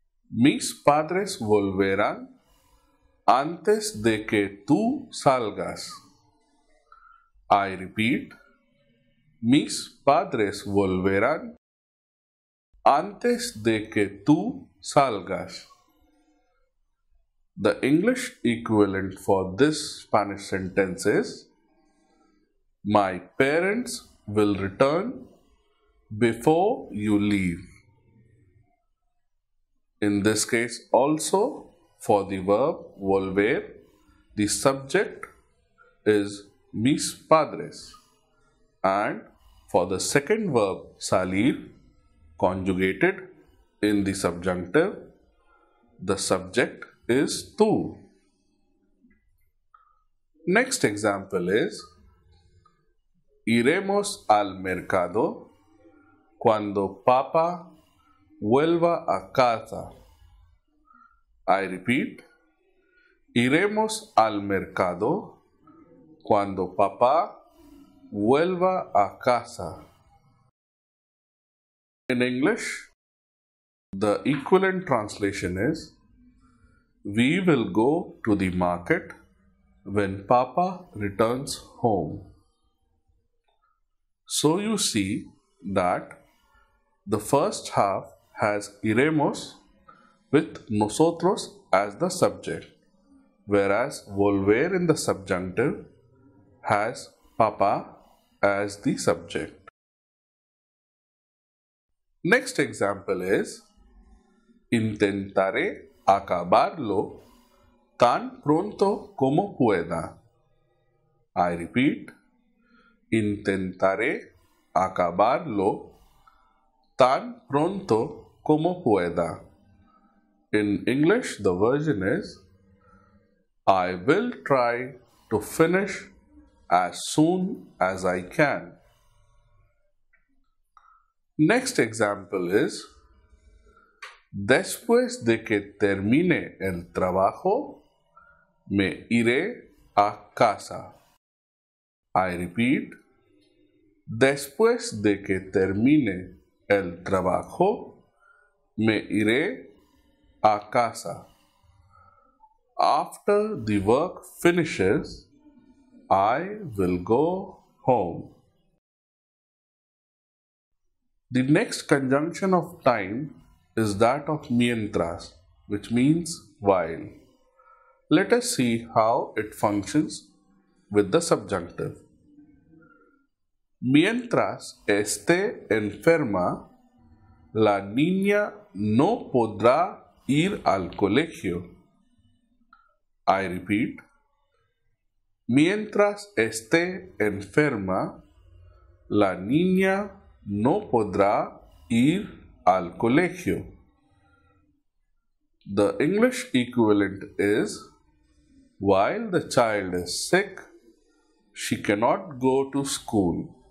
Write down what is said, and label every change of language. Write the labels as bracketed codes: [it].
[es] Mis padres volverán antes de que tú salgas. [en] I repeat, [es] mis padres volverán antes de que tú salgas. [en] The English equivalent for this Spanish sentence is, my parents will return before you leave. In this case also, for the verb volver, the subject is [es] mis padres. [en] And for the second verb salir, conjugated in the subjunctive, the subject is tú. Next example is, [es] iremos al mercado cuando papá vuelva a casa. [en] I repeat, [es] iremos al mercado cuando papá vuelva a casa. [en] In English, the equivalent translation is, we will go to the market when papa returns home. So you see that the first half has iremos with nosotros as the subject, whereas volver in the subjunctive has papa as the subject. Next example is, [es] intentaré acabarlo tan pronto como pueda. [en] I repeat, [es] intentaré acabarlo tan pronto como pueda. [en] In English, the version is, I will try to finish as soon as I can. Next example is, [es] después de que termine el trabajo, me iré a casa. [en] I repeat, [es] después de que termine el trabajo, me iré a casa. [en] After the work finishes, I will go home. The next conjunction of time is that of mientras, which means while. Let us see how it functions with the subjunctive. [es] Mientras esté enferma, la niña no podrá ir al colegio. [en] I repeat, [es] mientras esté enferma, la niña no podrá ir al colegio. [en] The English equivalent is, while the child is sick, she cannot go to school.